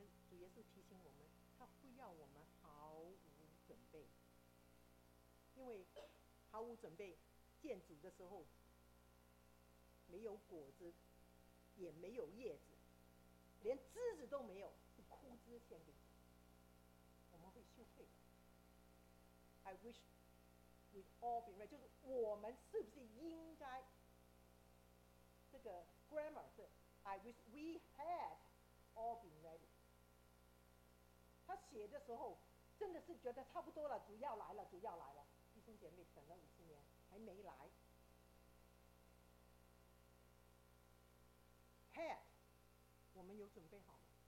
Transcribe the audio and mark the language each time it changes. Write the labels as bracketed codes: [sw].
[zh] 主耶稣提醒我们，他不要我们毫无准备。因为毫无准备，建筑的时候没有果子，也没有叶子，连枝子都没有，是枯枝献给主。我们会羞愧的。 [en] I wish we'd all be right， [zh] 就是我们是不是应该，这个 [en] grammar 是 I wish we had all been ready。 [zh] 他写的时候真的是觉得差不多了，主要来了，主要来了。弟兄姐妹等了50年还没来。 Had， 我们有准备好吗？